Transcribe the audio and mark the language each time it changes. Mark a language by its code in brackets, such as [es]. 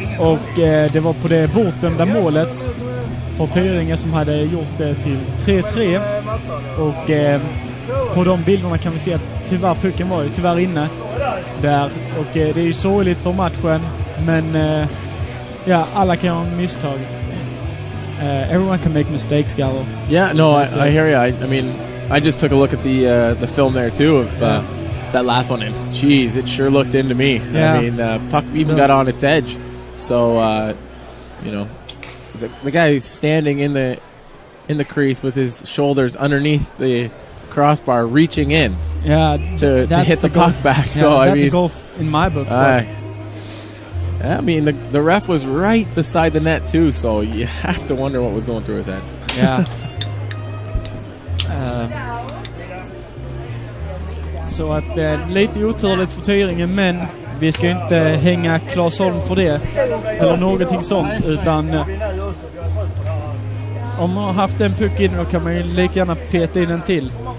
[sv] Och det var på det bortdömda målet för Tyringe som hade gjort det till 3-3. Och på de bilderna kan vi se att tyvärr pucken var ju tyvärr inne där. Och det är ju sorgligt för matchen, men ja, alla kan ha misstag. [en] Everyone can make mistakes, Gallo. Yeah, no, I hear you. I mean, I just took a look at the film there too of that last one, and geez, it sure looked into me. Yeah. I mean, puck even got on its edge. So, you know, the guy standing in the crease with his shoulders underneath the crossbar, reaching in. Yeah, to hit the puck back. Yeah, so that's a goal in my book. I mean, the ref was right beside the net too, so you have to wonder what was going through his head. Yeah. [sv] Så att det är lite oturligt för Tyringen, men vi ska inte hänga Claes Holm för det eller någonting sånt, utan om man har haft en puck in, då kan man ju lika gärna peta in en till.